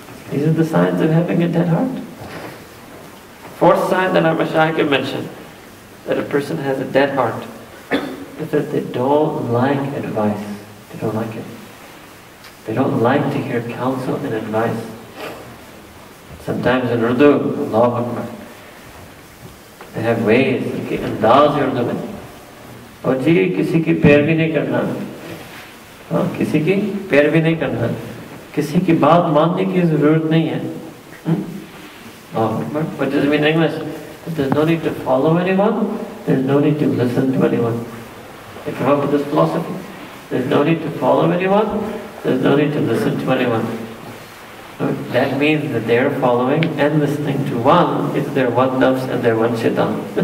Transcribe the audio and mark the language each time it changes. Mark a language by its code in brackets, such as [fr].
[en] These are the signs of having a dead heart. Fourth sign that our mashayikh have mentioned, that a person has a dead heart, is that they don't like advice. They don't like it. They don't like to hear counsel and advice. Sometimes in Urdu, Allahu Akbar, they have ways, like, [ur] andaz Urdu mein. او جی، کسی کی پیر بھی نہیں کرنا۔ کسی کی پیر بھی نہیں کرنا۔ کسی کی بات ماننے کی ضرورت نہیں ہے۔ [en] What does it mean in English? That there's no need to follow anyone, there's no need to listen to anyone. They come up with this philosophy. There's no need to follow anyone, there's no need to listen to anyone. So that means that they're following and listening to one, is their one nafs and their one shaitan.